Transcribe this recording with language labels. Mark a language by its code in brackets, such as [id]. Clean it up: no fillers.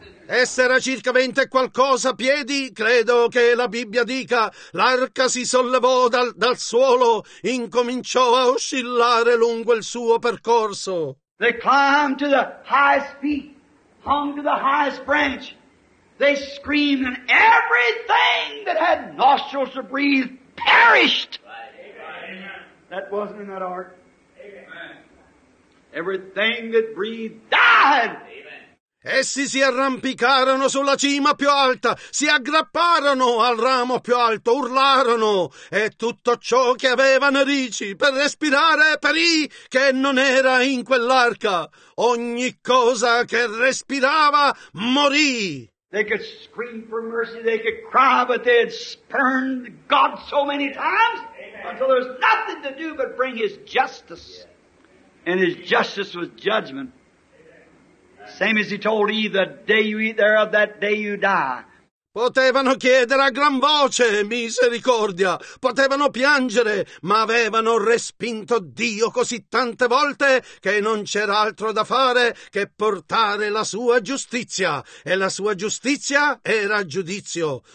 [it] Essa era circa 20 qualcosa piedi, credo che la Bibbia dica, l'arca si sollevò dal suolo, incominciò a oscillare lungo il suo percorso. [en] They climbed to the highest peak, hung to the highest branch. They screamed and everything that had nostrils to breathe perished. Amen. That wasn't in that ark. Amen. Everything that breathed died. [it] Essi si arrampicarono sulla cima più alta, si aggrapparono al ramo più alto, urlarono, e tutto ciò che aveva narici per respirare perì, che non era in quell'arca. Ogni cosa che respirava morì. [en] They could scream for mercy, they could cry, but they had spurned God so many times. Amen. Until there was nothing to do but bring his justice. Yeah. And his justice was judgment. Same as he told Eve, the day you eat thereof, that day you die. [it] Potevano chiedere a gran voce misericordia, potevano piangere, ma avevano respinto Dio così tante volte che non c'era altro da fare che portare la sua giustizia, e la sua giustizia era giudizio.